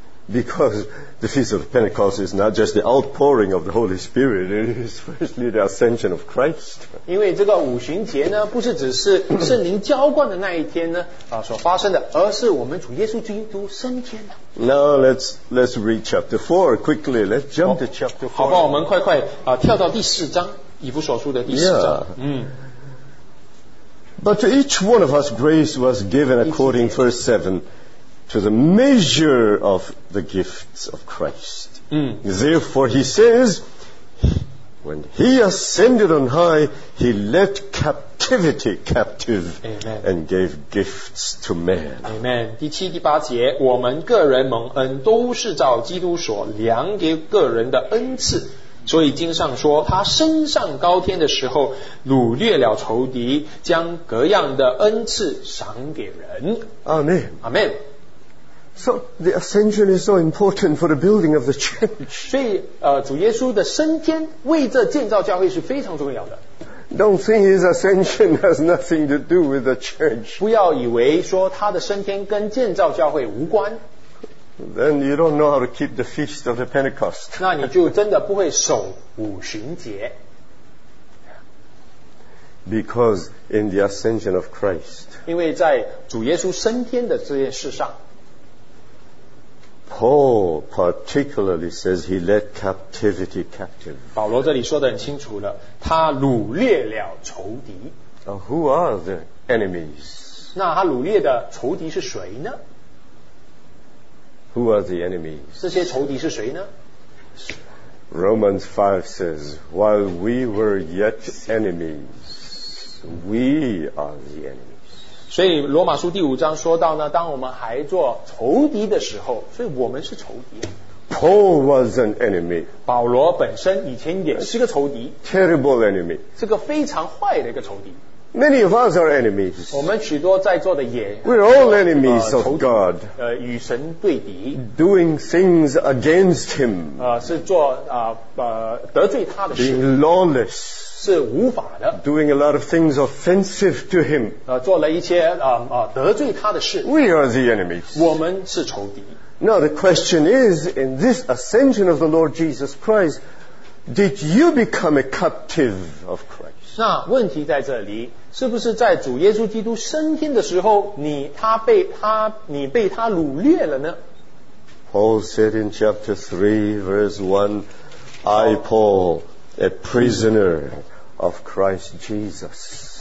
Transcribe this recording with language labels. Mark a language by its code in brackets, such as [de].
[en] Because the Feast of Pentecost is not just the outpouring of the Holy Spirit, it is firstly the ascension of Christ. [zh] 因为这个五旬节呢，不是只是圣灵浇灌的那一天呢所发生的，而是我们主耶稣基督升天的。 [en] Now let's read chapter 4 quickly. Let's jump to chapter 4. [zh] 好吧，我们快快跳到第四章，以弗所书的第四章。 [en] Yeah. But to each one of us grace was given according verse 7. To the measure of the gifts of Christ.、Therefore, he says, when he ascended on high, he led captivity captive、 Amen. And gave gifts to men. Amen. [zh] 第七、第八节，我们个人蒙恩，都是照基督所量给个人的恩赐。所以经上说，他升上高天的时候，掳掠了仇敌，将各样的恩赐赏给人。 [en] Amen. Amen. So the ascension is so important for the building of the church. [zh] 所以主耶稣的升天为这建造教会是非常重要的。 [en] Don't think his ascension has nothing to do with the church. [zh] 不要以为说他的升天跟建造教会无关。 [en] Then you don't know how to keep the feast of the Pentecost. [zh] 那你就真的不会守五旬节。 [en] Because in the ascension of Christ. [zh] 因为在主耶稣升天的这件事上。 [en] Paul particularly says he led captivity captive. [zh] 保罗这里说得很清楚了，他掳掠了仇敌。 [en] Who are the enemies? [zh] 那他掳掠的仇敌是谁呢？ [en] Who are the enemies? [zh] 这些仇敌是谁呢？ [en] Romans 5 says, while we were yet enemies, we are the enemies. [zh] 所以罗马书第五章说到呢，当我们还做仇敌的时候，所以我们是仇敌。 [en] Paul was an enemy. [zh] 保罗本身以前也是个仇敌。 [en] Terrible enemy. [zh] 是个非常坏的一个仇敌。 [en] Many of us are enemies. [zh] 我们许多在座的也。 [en] We're all enemies of God. [zh] 与神对敌。 [en] Doing things against him. [zh] 是做得罪他的事。 [en] Being lawless. [zh] 是无法的。 [en] Doing a lot of things offensive to him. [zh] 做了一些得罪他的事。 [en] We are the enemies. [zh] 我们是仇敌。 [en] Now the question is, in this ascension of the Lord Jesus Christ, did you become a captive of Christ? [zh] 那问题在这里，是不是在主耶稣基督升天的时候，你被他掳掠了呢？ [en] Paul said in chapter 3, verse 1, I, Paul,A prisoner of Christ Jesus.